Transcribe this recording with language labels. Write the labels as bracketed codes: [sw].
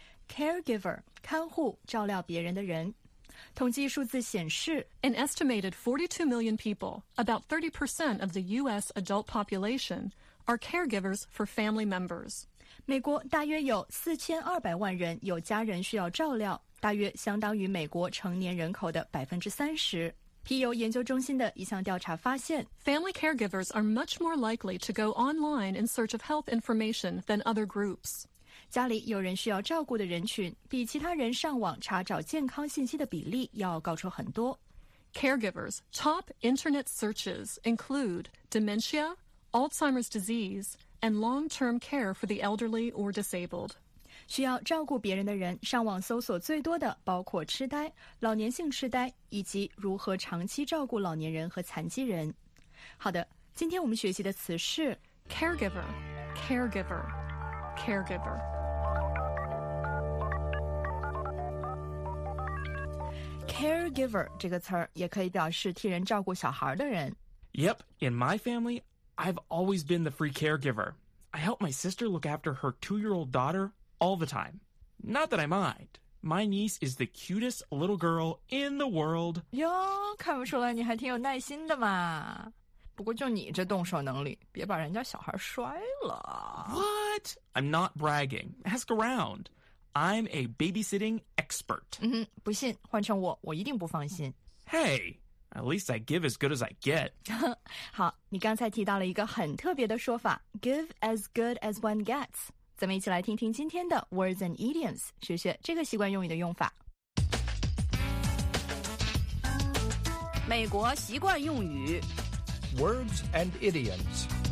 [zh] Caregiver, 看护，照料别人的人。统计数字显示 [en] An estimated 42 million people, about 30% of the U.S. adult population, are caregivers for family members. [zh] 美国大约有4200万人有家人需要照料，大约相当于美国成年人口的 30%。皮尤研究中心的一项调查发现 [en] Family caregivers are much more likely to go online in search of health information than other groups. [zh] 家里有人需要照顾的人群比其他人上网查找健康信息的比例要高出很多。 [en] Caregivers, top internet searches include dementia, Alzheimer's disease, and long-term care for the elderly or disabled. [zh] 需要照顾别人的人上网搜索最多的包括痴呆、老年性痴呆以及如何长期照顾老年人和残疾人。好的，今天我们学习的词是 [en] caregiver, caregiver, caregiver。 [zh] caregiver 这个词儿也可以表示替人照顾小孩的人。 [en] Yep, in my family, I've always been the free caregiver. I helped my sister look after her two-year-old daughter,all the time. Not that I mind. My niece is the cutest little girl in the world. [zh] 哟，看不出来你还挺有耐心的嘛。不过就你这动手能力，别把人家小孩摔了。 [en] What? I'm not bragging. Ask around. I'm a babysitting expert. [zh] 嗯哼，不信，换成我，我一定不放心。 [en] Hey, at least I give as good as I get. [zh] 好，你刚才提到了一个很特别的说法， [en] give as good as one gets. [zh] 咱们一起来听听今天的 [en] Words and Idioms, [zh] 学学这个习惯用语的用法。美国习惯用语 [en] Words and Idioms。